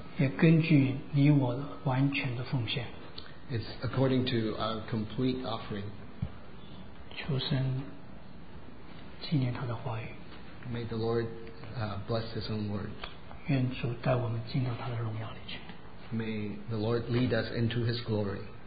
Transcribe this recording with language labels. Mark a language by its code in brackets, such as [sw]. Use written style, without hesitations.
[zh] 也根据你我完全的奉献。 [en] It's according to our complete offering. [zh] 求神纪念他的话语。 [en] May the Lord bless His own word. [zh] 愿主带我们进到他的荣耀里去。 [en] May the Lord lead us into His glory.